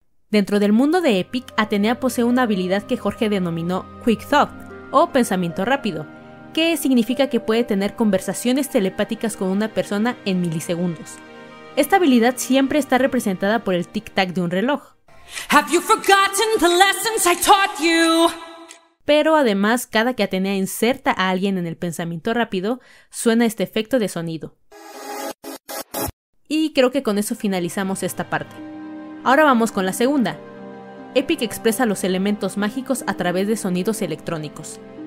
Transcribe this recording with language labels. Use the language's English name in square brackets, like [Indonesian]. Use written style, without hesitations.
[Spanish] Dentro del mundo de Epic, Atenea posee una habilidad que Jorge denominó Quick Thought, o pensamiento rápido, que significa que puede tener conversaciones telepáticas con una persona en milisegundos. Esta habilidad siempre está representada por el tic-tac de un reloj. [English] Have you forgotten the lessons I taught you? [Spanish] Pero además, cada que Atenea inserta a alguien en el pensamiento rápido, suena este efecto de sonido. Y creo que con eso finalizamos esta parte. Ahora vamos con la segunda. Epic expresa los elementos mágicos a través de sonidos electrónicos.